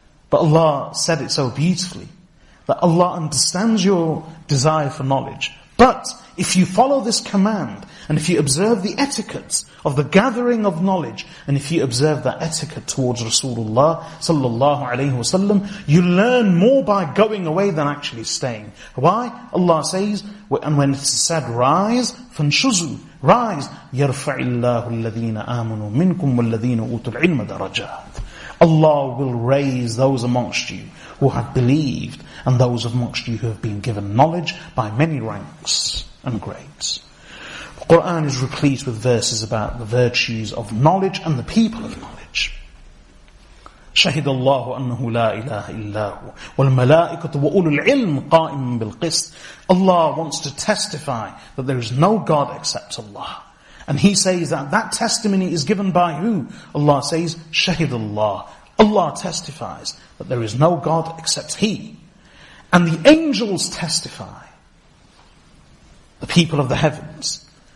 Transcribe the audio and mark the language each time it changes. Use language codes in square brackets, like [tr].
[en] But Allah said it so beautifully, that Allah understands your desire for knowledge. But if you follow this command, and if you observe the etiquettes of the gathering of knowledge, and if you observe that etiquette towards Rasulullah sallallahu alayhi wasallam, you learn more by going away than actually staying. Why? Allah says, and when it's said, rise, [ar] فَانْشُزُوا, [en] rise, [ar] يَرْفَعِ اللَّهُ الَّذِينَ آمُنُوا مِنْكُمْ وَالَّذِينَ أُوتُوا الْعِلْمَ دَرَجَاتٍ. [en] Allah will raise those amongst you who have believed, and those amongst you who have been given knowledge by many ranks and grades. Quran is replete with verses about the virtues of knowledge and the people of knowledge. [ar] شهد الله أنه لا إله إلا هو والملائكة وأولو العلم قائم بالقسط. [en] Allah wants to testify that there is no God except Allah. And he says that that testimony is given by who? Allah says, [ar] شهد الله. [en] Allah testifies that there is no God except He. And the angels testify, the people of the heavens.